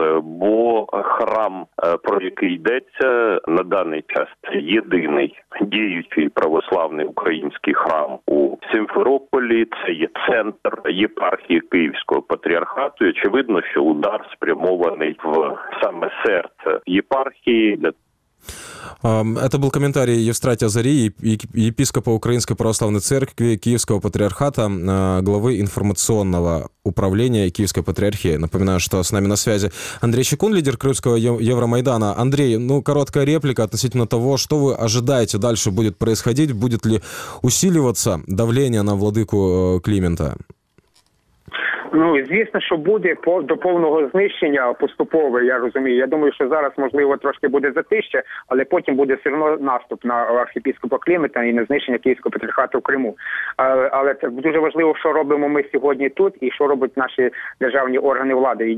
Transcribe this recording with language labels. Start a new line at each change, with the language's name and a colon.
Ukrainian: Бо храм, про який йдеться, на даний час це єдиний діючий православний український храм у Сімферополі. Це є центр єпархії Київського патріархату. І очевидно, що удар спрямований в саме серце єпархії.
Russian: Это был комментарий Евстратия Зарии, епископа Украинской Православной Церкви Киевского Патриархата, главы информационного управления Киевской Патриархии. Напоминаю, что с нами на связи Андрей Щекун, лидер Крымского Евромайдана. Андрей, ну, короткая реплика относительно того, что вы ожидаете дальше будет происходить, будет ли усиливаться давление на владыку Климента?
Ukrainian: Ну, звісно, що буде до повного знищення поступове, я розумію. Я думаю, що зараз, можливо, трошки буде затишче, але потім буде все одно наступ на архієпископа Климента і на знищення Київського патріархату в Криму. Але це дуже важливо, що робимо ми сьогодні тут і що роблять наші державні органи влади.